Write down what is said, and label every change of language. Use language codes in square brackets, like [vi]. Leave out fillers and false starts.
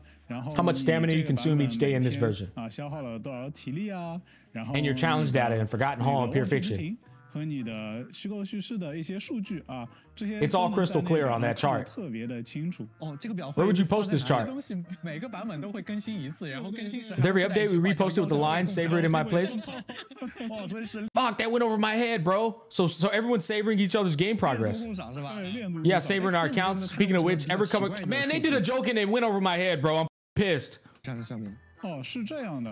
[en] How much stamina you consume each day in this version. And your challenge data in Forgotten Hall and Pure Fiction. [zh] 和你的虚构叙事的一些数据啊，这些 [en] It's all crystal clear on that chart. [zh] 特别的清楚。哦，这个表。 [en] Where would you post this chart? [zh] 东西每个版本都会更新一次，然后更新时。 [en] Every update we repost it with the line, savor it in my place. [zh] 哇，真是。 [en] Fuck, that went over my head, bro. So everyone savoring each other's game progress. [zh] 练度共赏是吧？ [en] Yeah, savoring our accounts. Speaking of which, ever come? Man, they did a joke and it went over my head, bro. I'm pissed. [zh] 站在上面。哦，是这样的。